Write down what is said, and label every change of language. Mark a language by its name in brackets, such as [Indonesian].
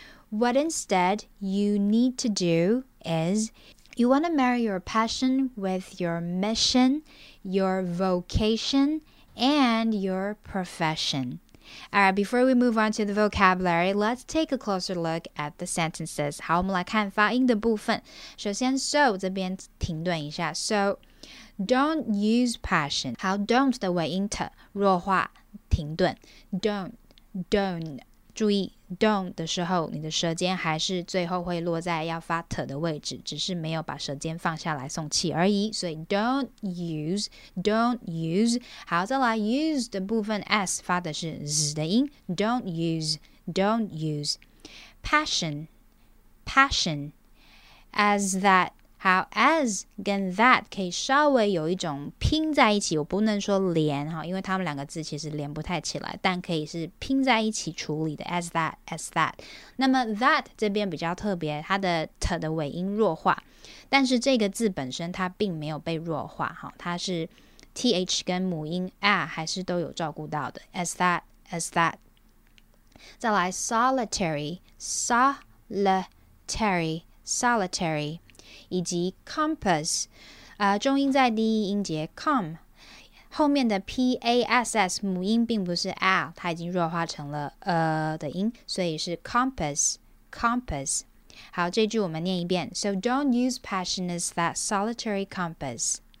[English] What instead you need to do is you want to marry your passion with your mission, your vocation, and your profession. All right, before we move on to the vocabulary, let's take a closer look at the sentences. [Chinese] 好，我们来看发音的部分。首先 ,so, 这边停顿一下。 [English] So,Don't use passion. [Chinese] 好 ,don't 的尾音 t, 弱化停顿。Don't, 注意 don't 的时候你的舌尖还是最后会落在要发 t 的位置，只是没有把舌尖放下来送气而已。所以 [English] don't use. [Chinese] 好，再来 use 的部分 s 发的是 z 的音。 [English] Don't use. Passion. As that. [Chinese] How as 跟 that 可以稍微有一种拼在一起，我不能说连，因为他们两个字其实连不太起来，但可以是拼在一起处理的 as that. 那么 that 这边比较特别，它的 t 的尾音弱化，但是这个字本身它并没有被弱化，它是 th 跟母音 r 还是都有照顾到的 as that. 再来 solitary. 以及 compass、中音在第一音节 com 后面的 pass 母音并不是 l 它已经弱化成了的音所以是 compass 好这句我们念一遍 [English] So don't use passion as that solitary compass